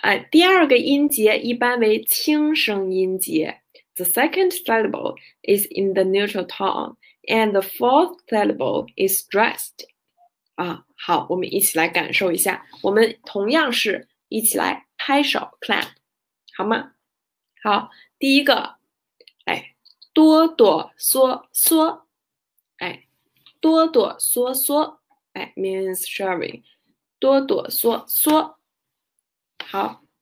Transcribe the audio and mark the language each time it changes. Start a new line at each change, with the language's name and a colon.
Chinese: 第二个音节一般为轻声音节。
English: The second syllable is in the neutral tone, and the fourth syllable is stressed.
Chinese: 好，我们一起来感受一下。我们同样是一起来拍手 clap，好吗？好，第一个，哆哆嗦嗦，哆哆嗦嗦，
English: means shivering，
Chinese: 哆哆嗦嗦，好。